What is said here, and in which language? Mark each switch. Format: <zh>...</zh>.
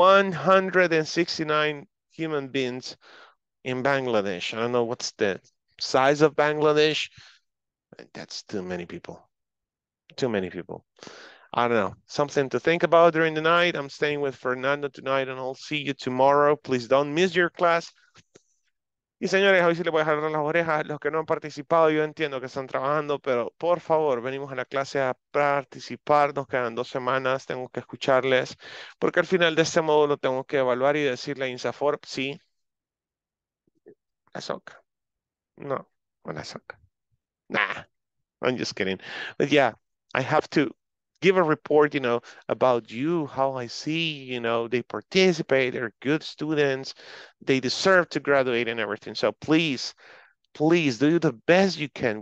<en>169 human beings in Bangladesh. I don't know what's the size of Bangladesh. That's too many people. Too many people. I don't know. Something to think about during the night. I'm staying with Fernando tonight, and I'll see you tomorrow. Please don't miss your class.</en> <es>Y señores, hoy sí le voy a jalar las orejas. Los que no han participado, yo entiendo que están trabajando, pero por favor, venimos a la clase a participar. Nos quedan 2 semanas, tengo que escucharles, porque al final de este módulo tengo que evaluar y decirle a INSAFORP, sí, la soca. No, no la soca.</es> <en>Nah, I'm just kidding. But yeah, I have to give a report, you know, about you, how I see, you know, they participate, they're good students, they deserve to graduate and everything. So please, please do the best you can.</en>